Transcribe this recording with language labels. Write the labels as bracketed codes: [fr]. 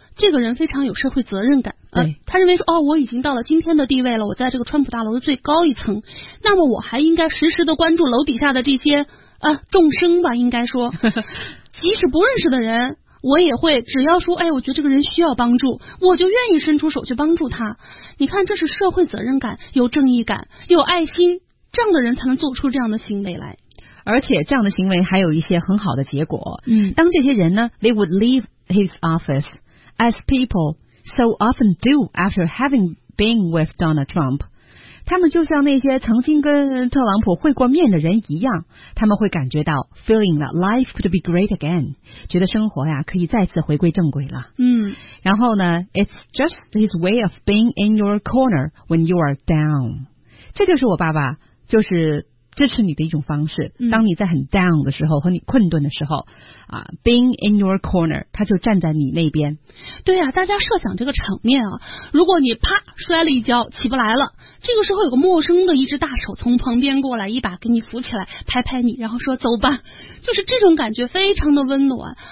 [zh] 这个人非常有社会责任感。他认为说，哦，我已经到了今天的地位了，我在这个川普大楼的最高一层，那么我还应该时时的关注楼底下的这些众生吧，应该说，即使不认识的人，我也会，只要说，哎，我觉得这个人需要帮助，我就愿意伸出手去帮助他。你看，这是社会责任感，有正义感，有爱心，这样的人才能做出这样的行为来。而且这样的行为还有一些很好的结果。嗯，当这些人呢 [en] ，they would leave his office as people so often do after having been with Donald Trump。 [zh] 他们就像那些曾经跟特朗普会过面的人一样，他们会感觉到 [en] feeling that life could be great again， [zh] 觉得生活呀可以再次回归正轨了。嗯，然后呢 [en] ，it's just his way of being in your corner when you are down。 [zh] 这就是我爸爸，就是支持你的一种方式。当你在很 down 的时候和你困顿的时候啊 ， [en] being in your corner， [zh] 他就站在你那边。对呀、啊，大家设想这个场面啊，如果你啪摔了一跤起不来了，这个时候有个陌生的一只大手从旁边过来，一把给你扶起来，拍拍你，然后说走吧，就是这种感觉非常的温暖。